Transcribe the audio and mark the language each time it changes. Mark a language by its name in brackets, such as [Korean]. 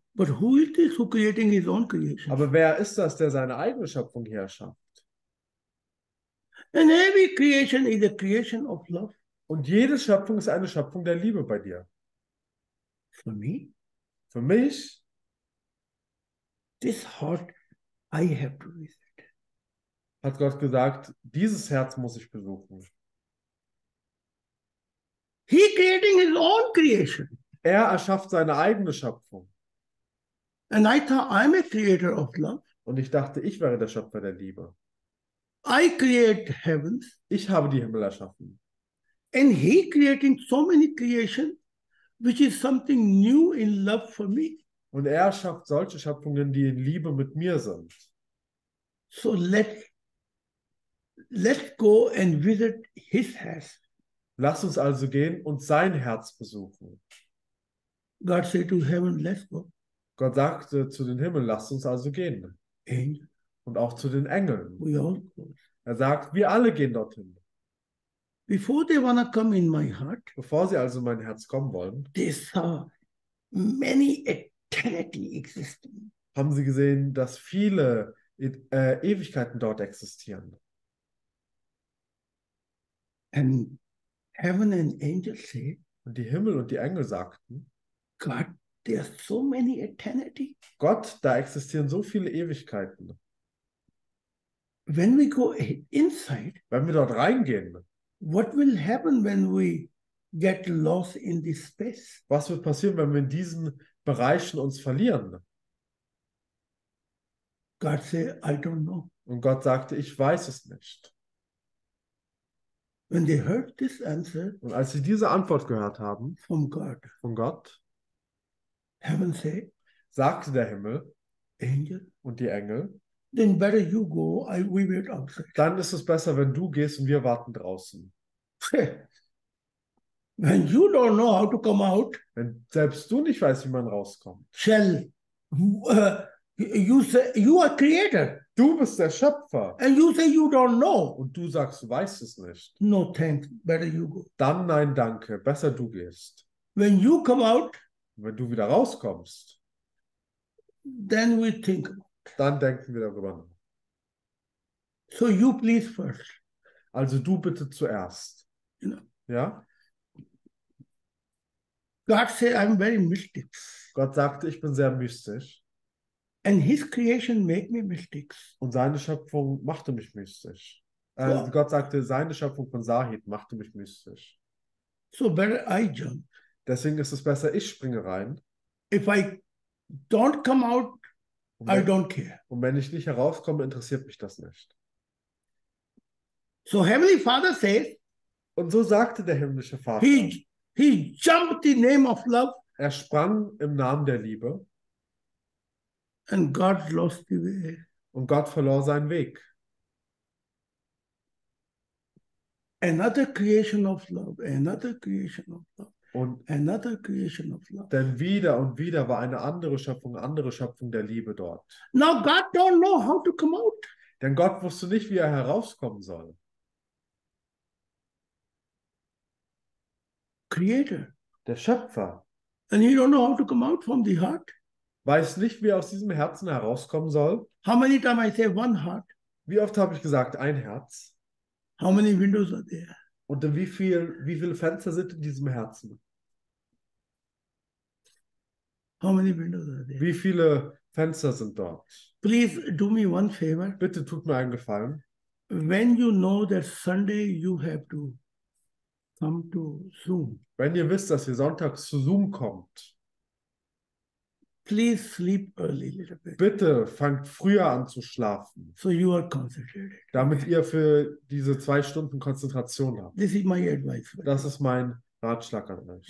[English] But who is this who creating his own creation? [German] Aber wer ist das, der seine eigene Schöpfung hier erschafft? [English] And every creation is a creation of love. [German] Und jede Schöpfung ist eine Schöpfung der Liebe bei dir. [English] For me? [German] Für mich? [English] This heart I have to visit. [German] Hat Gott gesagt, dieses Herz muss ich besuchen. [English] He creating his own creation. [German] Er erschafft seine eigene Schöpfung. [English] And I thought I'm a creator of love. [German] Und ich dachte, ich wäre der Schöpfer der Liebe. [English] I create heavens. [German] Ich habe die Himmel erschaffen. [English] And he creating so many creation, which is something new in love for me. [German] Und er schafft solche Schöpfungen, die in Liebe mit mir sind. [English] So let's go and visit his heart. [German] Lass uns also gehen und sein Herz besuchen. [English] God said to heaven, let's go. [German] Gott sagte zu den Himmeln, lasst uns also gehen. [English] Angel. [German] Und auch zu den Engeln. [English] We all go. [German] Er sagt, wir alle gehen dorthin. [English] Before they wanna come in my heart, [German] bevor sie also in mein Herz kommen wollen, [English] they saw many eternity existing. [German] Haben sie gesehen, dass viele Ewigkeiten dort existieren. [English] And heaven and angels say, [German] und die Himmel und die Engel sagten, [English] God, there are so many eternity. [German] Gott, da existieren so viele Ewigkeiten. [English] When we go inside, [German] wenn wir dort reingehen, [English] what will happen when we get lost in this space? [German] Was wird passieren, wenn wir in diesen Bereichen uns verlieren? [English] God said, I don't know. [German] Und Gott sagte, ich weiß es nicht. [English] When they heard this answer, [German] und als sie diese Antwort gehört haben, [English] from God, [German] von Gott, [English] heaven say, [German] sagte der Himmel, [English] Angel, [German] und die Engel, [English] then better you go, we wait outside. [German] Dann ist es besser, wenn du gehst und wir warten draußen. [English] When you don't know how to come out, [German] wenn selbst du nicht weißt, wie man rauskommt, [English] shall you say you are creator? [German] Du bist der Schöpfer. [English] And you say you don't know. [German] Und du sagst, du weißt es nicht. [English] No thanks, better you go. [German] Dann nein, danke, besser du gehst. [English] When you come out, [German] wenn du wieder rauskommst, [English] then we think. [German] Dann denken wir darüber nach. [English] So you please first. [German] Also du bitte zuerst. [English] You know. [German] Ja? [English] God said, I'm very mystic. [German] Gott sagte, ich bin sehr mystisch. [English] And his creation made me mystic. [German] Und seine Schöpfung machte mich mystisch. So, Gott sagte, seine Schöpfung von Zahid machte mich mystisch. [English] So better I jump. [German] Deswegen ist es besser, ich springe rein. [English] If I don't come out, I don't care. [German] Und wenn ich nicht herauskomme, interessiert mich das nicht. [English] So Heavenly Father says, [German] und so sagte der himmlische Vater, [English] he jumped the name of love. [German] Er sprang im Namen der Liebe. [English] And God lost the way. [German] Und Gott verlor seinen Weg. [English] Another creation of love, another creation of love. [German] Und [English] another creation of love. [German] Denn wieder und wieder war eine andere Schöpfung der Liebe dort. [English] Now God don't know how to come out. [German] Denn Gott wusste nicht, wie er herauskommen soll. [English] Creator. [German] Der Schöpfer. [English] And he don't know how to come out from the heart. [German] Weiß nicht, wie er aus diesem Herzen herauskommen soll. [English] How many times I say one heart? [German] Wie oft habe ich gesagt, ein Herz? [English] How many windows are there? [German] Und wie viele Fenster sind in diesem Herzen? [English] How many windows are there? [German] Wie viele Fenster sind dort? [English] Please do me one favor. [German] Bitte tut mir einen Gefallen. [English] When you know that Sunday you have to come to Zoom. [German] Wenn ihr wisst, dass ihr sonntags zu Zoom kommt. [English] Please sleep early a little bit. [German] Bitte fangt früher an zu schlafen. [English] So you are concentrated. [German] Damit ihr für diese 2 Stunden Konzentration habt. [English] This is my advice. [German] Das ist mein Ratschlag an euch.